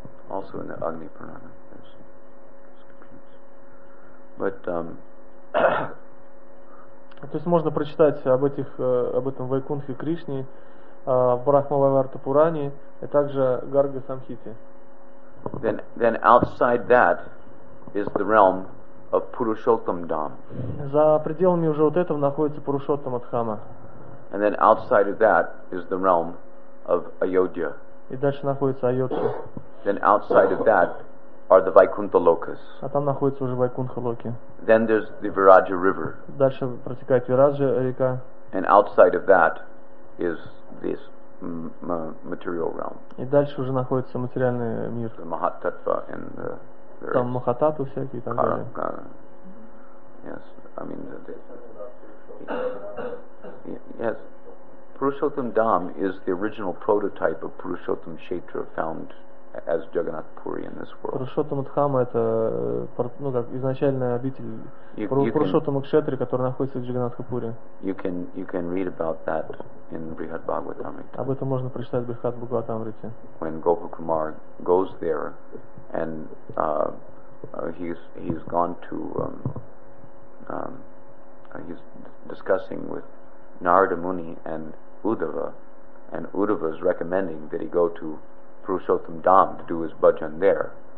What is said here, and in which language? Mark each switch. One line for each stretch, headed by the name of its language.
English: Also in the Agni Purana, there's descriptions. But
Russian: то есть можно прочитать об этих об этом Вайкунтхе Кришне в Брахмававарта Пуране и также Гарга Самхите.
English: Then outside that is the realm of Purushottam Dham.
Russian: За пределами уже вот этого находится Пурушоттама Дхама.
English: And then outside of that is the realm of Ayodhya.
Russian: И дальше находится Айодхи.
English: Then outside of that are the Vaikuntha Lokas.
Russian: А там находится уже Вайкунтха Локи.
English: Then there's the Viraja River.
Russian: Дальше протекает Вираджа река.
English: And outside of that is this material realm.
Russian: И дальше уже находится материальный мир.
English: The Mahatattva and the
Russian: там Махататвы всякие и так далее.
English: Yes, I mean yes. Purushottam Dham is the original prototype of Purushottam Kshetra found as Jagannath Puri in this world.
Russian: Purushottam Dham это ну как изначальная обитель Purushottam Kshetra, который находится в Jagannath Puri.
English: You can read about that in Brihad Bhagavatamrita.
Russian: Об этом можно прочитать в Брихад Бхагаватамрите.
English: When Gopakumar goes there and he's gone to he's discussing with Narada Muni and Uddhava, and Uddhava is recommending that he go to Purushottam Dham to do his bhajan there.